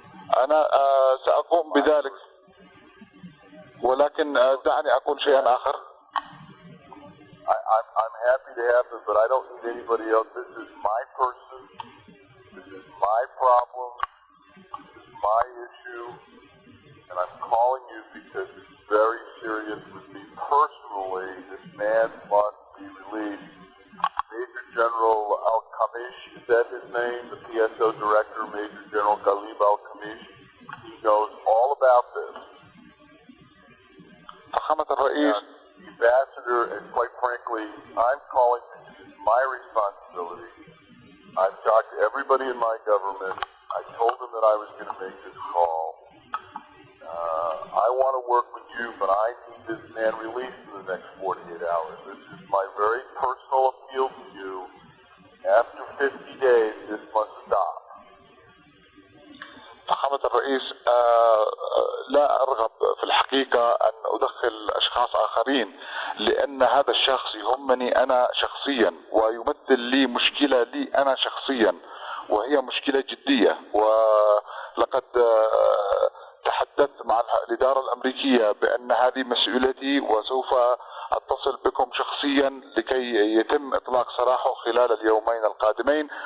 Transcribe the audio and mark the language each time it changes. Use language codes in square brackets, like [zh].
[ar] أنا سأقوم بذلك، ولكن دعني أقول شيئاً آخر. [en] I'm happy to have this, but I don't need anybody else. This is my person. This is my problem. This is my issue, and I'm calling you because it's very serious with me personally. This man must be released. Major General Al-Kamish, is that his name? The PSO director, Major General Ghalib Al-Kamish. He knows all about this. Mohammed al-Rais. Ambassador, and quite frankly, I'm calling because it's my responsibility. I've talked to everybody in my government. I told them that I was going to make this call. I want to work with you, but I need this man released in the next 48 hours. This is my very personal appeal to you. After 50 days, this must stop. [ar] محمد الرئيس، لا أرغب في الحقيقة أن أدخل أشخاص آخرين، لأن هذا الشخص يهمني أنا شخصيا ويمثل لي مشكلة لي أنا شخصيا، وهي مشكلة جدية. ولقد تحدثت مع الإدارة الأمريكية بأن هذه مسؤولتي، وسوف أتصل بكم شخصيا لكي يتم إطلاق سراحه خلال اليومين القادمين.